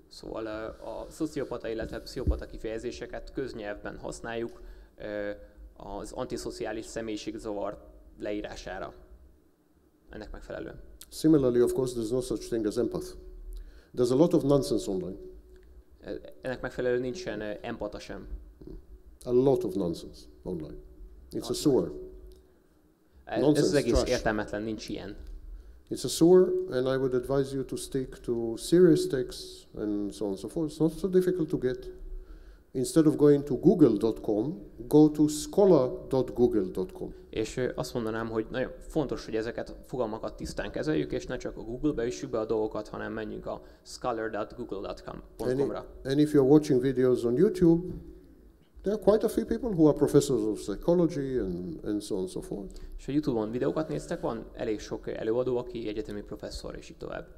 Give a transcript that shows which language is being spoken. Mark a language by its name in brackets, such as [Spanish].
[Hungarian] Szóval a szociopata, illetve pszichopata kifejezéseket köznyelvben használjuk az antiszociális személyiségzavar leírására. Ennek megfelelően. [English] Similarly, of course, there's no such thing as empath. There's a lot of nonsense online. [Hungarian] Ennek megfelelően nincsen empata sem. [English] A lot of nonsense online. It's nonsense. A sewer. Nonsense, [Hungarian] ez az egész trash. Értelmetlen, nincs ilyen. [English] It's a sewer, and I would advise you to stick to serious texts and so on and so forth. It's not so difficult to get. Instead of going to google.com, go to scholar.google.com. [Hungarian] És azt mondanám, hogy nagyon fontos, hogy ezeket a fogalmakat tisztán kezeljük, és ne csak a Google-be üssük be a dolgokat, hanem menjünk a scholar.google.com.ra. [English] And if you're watching videos on YouTube, there are quite a few people who are professors of psychology and so on and so forth. [Hungarian] És a YouTube-on videókat néztek, van elég sok előadó, aki egyetemi professzor, és így tovább.